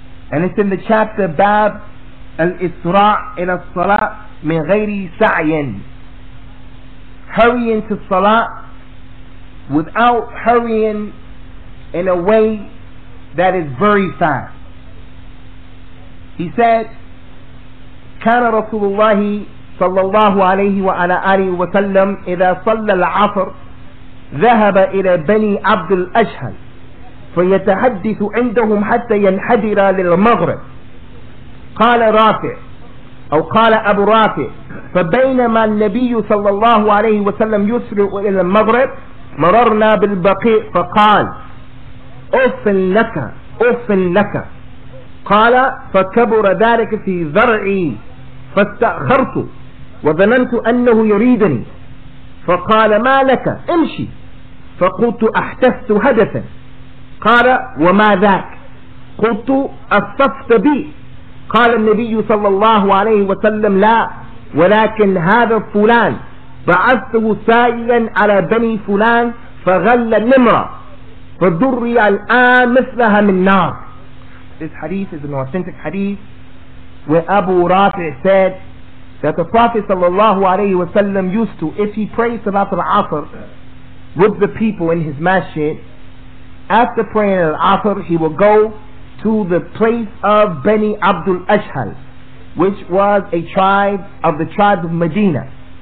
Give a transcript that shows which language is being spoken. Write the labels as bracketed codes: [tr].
[en] And it's in the chapter Bab Al-Isra' in As-Salat Min Ghayri Sa'yin. Hurrying to Salat without hurrying in a way that is very fast. He said, [ar] كَانَ رَسُولُ اللَّهِ صَلَّى اللَّهُ عَلَيْهِ وَعَلَىٰ آلِهِ وَسَلَّمْ إِذَا صَلَّى الْعَصْرِ ذهب إلى بني عبد الأشهل فيتحدث عندهم حتى ينحدر للمغرب. قال رافع أو قال أبو رافع فبينما النبي صلى الله عليه وسلم يسرع إلى المغرب مررنا بالبقيع فقال أف لك قال فكبر ذلك في ذرعي فاستأخرت وظننت أنه يريدني فقال ما لك امشي فقلت أحدثت حدثا. قال وما ذاك؟ قلت أصفت بي. قال النبي صلى الله عليه وسلم لا، ولكن هذا فلان بعثته سائلا على بني فلان فغل النمرة فدري الآن مثلها من نار. [en] This hadith is an authentic hadith where Abu Rafi' said that the Prophet [ar] صلى الله عليه وسلم [en] used to, if he prayed Salat al-Asr with the people in his masjid, after praying al-Asr, he will go to the place of Bani Abdul Ashhal, which was a tribe of the tribe of Medina.